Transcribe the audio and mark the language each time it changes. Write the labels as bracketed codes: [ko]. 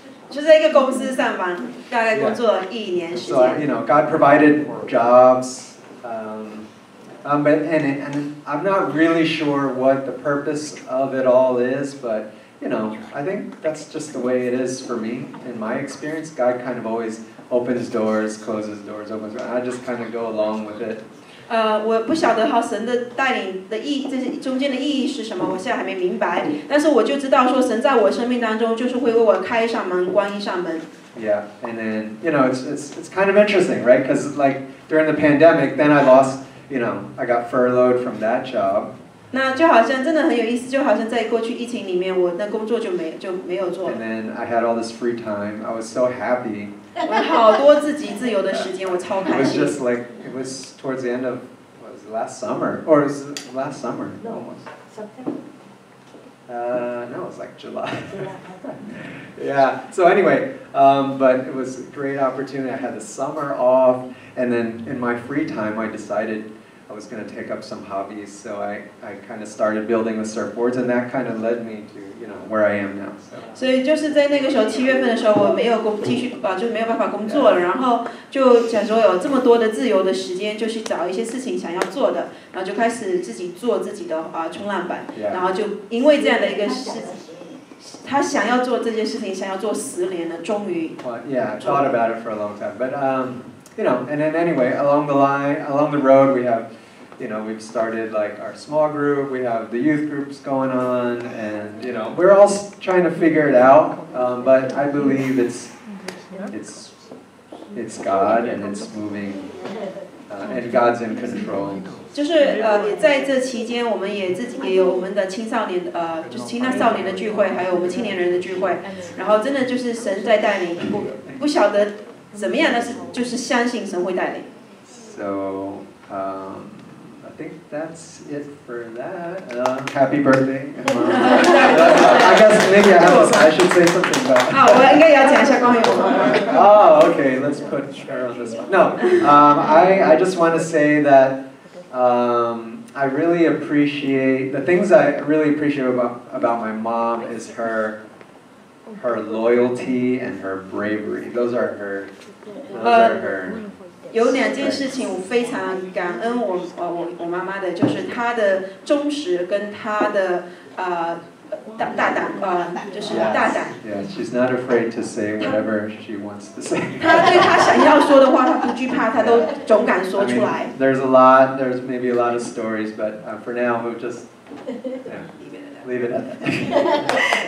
[zh] 就在一个公司上班，大概工作了一年时间。 [en] So God provided jobs, but I'm not really sure what the purpose of it all is, but I think that's just the way it is for me. In my experience, God kind of always opens doors, closes doors, opens doors. I just kind of go along with it. [zh] 我不晓得神的带领的意义，这中间的意义是什么，我现在还没明白。但是我就知道说，神在我生命当中就是会为我开一扇门，关一扇门。 [en] Yeah, and then it's kind of interesting, right? Because like during the pandemic, then I lost you know, I got furloughed from that job. [zh] 那就好像真的很有意思，就好像在过去疫情里面，我的工作就没有做。 [en] And then I had all this free time. I was so happy. [zh] 我好多自己自由的时间，我超开心。 [en] It was just like it was towards the end of what was it, last summer or is it last summer? No, almost. September. No, it was like July. Yeah, so anyway, but it was a great opportunity. I had the summer off, and then in my free time, I decided I was going to take up some hobbies. So I kind of started building the surfboards, and that kind of led me to, you know, where I am now. So [zh] 就是在那个时候，七月份的时候，我没有工继续啊，就是没有办法工作了。然后就想说有这么多的自由的时间，就去找一些事情想要做的，然后就开始自己做自己的啊冲浪板。然后就因为这样的一个事，他想要做这件事情，想要做十年了，终于。 [en] Well, yeah, I thought about it for a long time, but you know, and then anyway, along the road, we have. You know, we've started like our small group, we have the youth groups going on, and you know, we're all trying to figure it out, but I believe it's God and it's moving, and God's in control. [zh] 就是在这期间我们也自己也有我们的青少年就是青少年的聚会还有我们青年人的聚会然后真的就是神在带领不晓得怎么样但是就是相信神会带领。 [en] So, I think that's it for that. Happy birthday. I guess maybe I should say something about it. [zh] Oh, 我应该要讲一下关于我妈妈。 [en] Oh, okay, let's put Cheryl on this one. No, I just want to say that I really appreciate, the things I really appreciate about my mom is her loyalty and her bravery. Those are her. [zh] 有两件事情我非常感恩我妈妈的，就是她的忠实跟她的大胆。 [en] Yeah, she's not afraid to say whatever she wants to say. [zh] 她对她想要说的话，她不惧怕，她都总敢说出来。 [en] I mean, there's a lot. There's maybe a lot of stories, but for now, we'll just leave it at that.